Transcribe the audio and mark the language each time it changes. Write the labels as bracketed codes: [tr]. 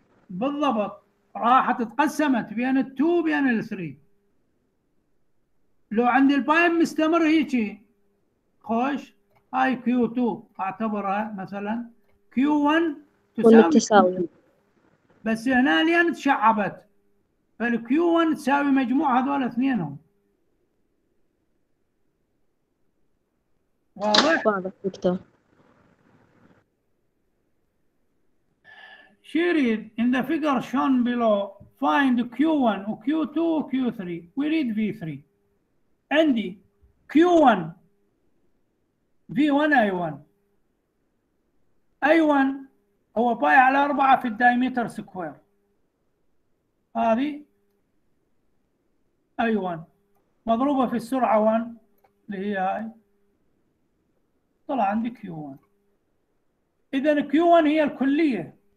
[ar] بالضبط، راحت اتقسمت بين ال 2 بين ال 3، لو عندي البايب مستمر هيجي خوش، هاي كيو 2 اعتبرها مثلا، كيو 1 تكون تساوي متساوية. كيو 2 بس هنا لين تشعبت، فالكيو 1 تساوي مجموع هذول اثنينهم، واضح؟ واضح دكتور. [en] شيريد in the figure shown below find Q1 و Q2 و Q3 we read V3. [ar] عندي Q1 V1 I1، I1 هو باي على 4 في الدايمتر سكوير، هذه I1 مضروبة في السرعة 1 اللي هي هاي، طلع عندي Q1، إذا Q1 هي الكلية،